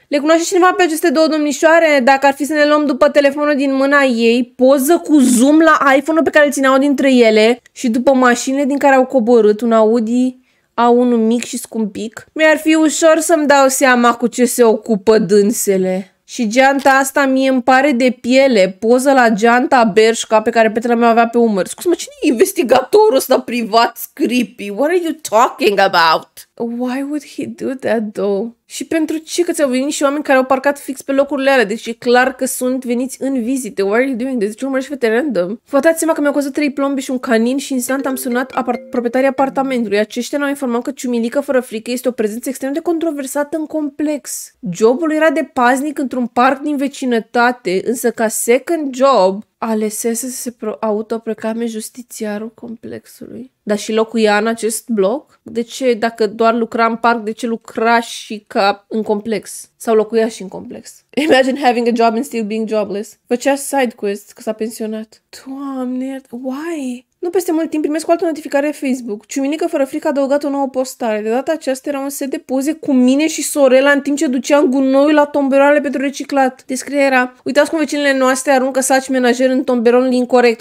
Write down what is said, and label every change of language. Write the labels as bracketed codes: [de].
[ro] Le cunoaște cineva pe aceste două domnișoare? Dacă ar fi să ne luăm după telefonul din mâna ei, poză cu zoom la iPhone-ul pe care îl țineau dintre ele și după mașinile din care au coborât, un Audi A1 mic și scumpic, mi-ar fi ușor să-mi dau seama cu ce se ocupă dânsele. Și geanta asta mie îmi pare de piele, poză la geanta Bershka pe care Petra mea avea pe umăr. Scuze-mă, cine e investigatorul ăsta privat, creepy? [en] What are you talking about? Why would he do that though? [ro] Și pentru ce? Că ți-au venit și oameni care au parcat fix pe locurile alea. Deci e clar că sunt veniți în vizite. [en] Why are you doing this? [ro] Deci urmărești fete random. Vă dați seama că mi-au costat 3 plombi și un canin și instant am sunat proprietarii apartamentului. Aceștia ne-au informat că Ciumilică fără frică este o prezență extrem de controversată în complex. Jobul era de paznic într-un parc din vecinătate, însă ca second job alesese să se autoproclame justițiarul complexului. Dar și locuia în acest bloc? De ce, dacă doar lucra în parc, de ce lucra și ca în complex? Sau locuia și în complex? [en] Imagine having a job and still being jobless. [ro] Făcea side quest că s-a pensionat. Doamne, [en] why? [ro] Nu peste mult timp primesc o altă notificare pe Facebook. Ciuminică fără frică a adăugat o nouă postare. De data aceasta era un set de poze cu mine și sorela în timp ce duceam gunoiul la tomberoane pentru reciclat. Descrierea era: uitați cum vecinile noastre aruncă saci menajer în tomberonul incorrect.